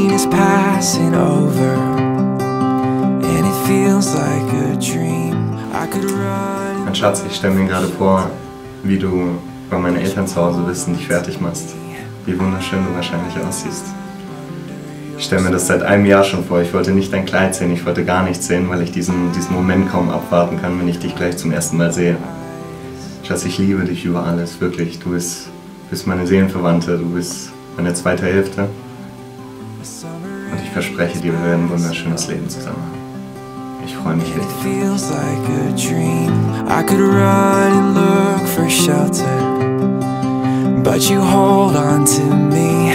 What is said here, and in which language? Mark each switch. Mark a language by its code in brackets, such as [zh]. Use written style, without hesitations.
[en] passing over, and it feels like a dream. I could run. [de] Mein Schatz, ich stelle mir gerade vor, wie du bei meinen Eltern zu Hause bist und dich fertig machst. Wie wunderschön du wahrscheinlich aussiehst. Ich stelle mir das seit einem Jahr schon vor. Ich wollte nicht dein Kleid sehen, ich wollte gar nichts sehen, weil ich diesen Moment kaum abwarten kann, wenn ich dich gleich zum ersten Mal sehe. Schatz, ich liebe dich über alles, wirklich. Du bist meine Seelenverwandte, du bist meine zweite Hälfte. Und ich verspreche dir, wir werden ein wunderschönes Leben zusammen haben. Ich freue mich richtig. [en] It feels like a dream. I could run and look for shelter, but you hold on to me.